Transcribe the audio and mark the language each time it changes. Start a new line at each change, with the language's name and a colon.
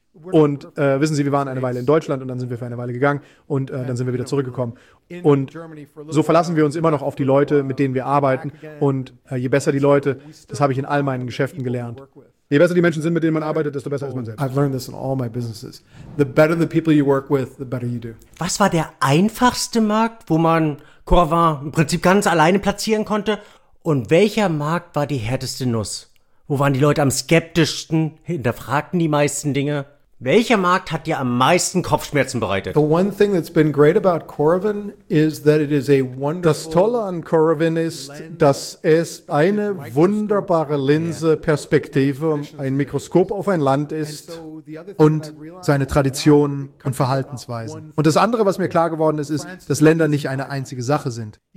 German: Und wissen Sie, wir waren eine Weile in Deutschland und dann sind wir für eine Weile gegangen und dann sind wir wieder zurückgekommen. Und so verlassen wir uns immer noch auf die Leute, mit denen wir arbeiten. Und je besser die Leute, das habe ich in all meinen Geschäften gelernt. Je besser die Menschen sind, mit denen man arbeitet, desto besser ist man selbst.
English: I've learned this in all my businesses. The better the people you work with, the better you do.
German: Was war der einfachste Markt, wo man Coravin im Prinzip ganz alleine platzieren konnte? Und welcher Markt war die härteste Nuss? Wo waren die Leute am skeptischsten, hinterfragten die meisten Dinge? Welcher Markt hat dir am meisten Kopfschmerzen bereitet?
English: The one thing that's been great about Coravin is that it is a wonderful.
German: Das Tolle an Coravin ist, dass es eine wunderbare Linse, Perspektive, ein Mikroskop auf ein Land ist und seine Traditionen und Verhaltensweisen. Und das andere, was mir klar geworden ist, ist, dass Länder nicht eine einzige Sache sind.